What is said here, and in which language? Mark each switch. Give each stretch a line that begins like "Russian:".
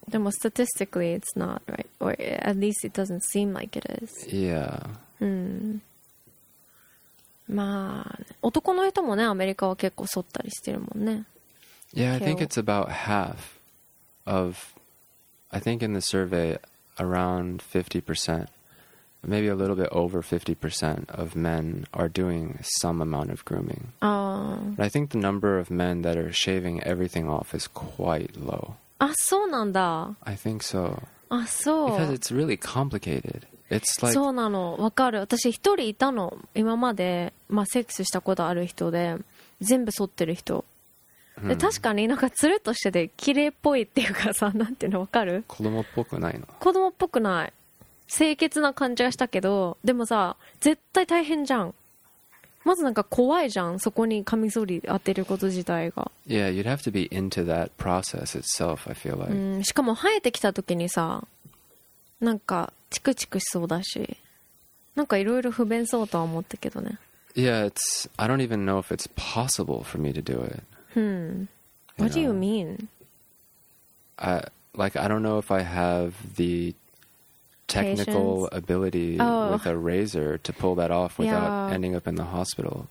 English: でも statistically it's not right or at least it doesn't seem like it is. Yeah、
Japanese: うん、まあ男の人もねアメリカは結構剃ったりしてるもんね。
English: Yeah, I think it's about half of I think in the survey around 50%, maybe a little bit over 50% of men are doing some amount of grooming. But I think the number of men that are shaving everything off is quite low.
Japanese: あ、そうなんだ。
English: I think so.
Japanese: あ、そう。
English: Because it's really complicated. It's like、
Japanese: そうなのわかる。私一人いたの今まで、まあ、セックスしたことある人で全部剃ってる人、hmm. で確かになんかつるっとしてて綺麗っぽいっていうかさなんていうのわかる。子供っぽくないの。子供っぽくない。清潔な感じがしたけどでもさ絶対大変じゃん。まずなんか怖いじゃんそこにカミソリ当てること自体が。
English: Yeah, you'd have to be into that process itself I feel like、
Japanese: うん、しかも生えてきた時にさなんかチクチクしそうだしなんかいろいろ不便そうとは思ったけどね。
English: Yeah, it's I don't even know if it's possible for me to do it. Hmm. What do you mean? I don't know if I have the technical、 Patience? ability、 oh. with a razor to pull that off without、 ending up in the hospital.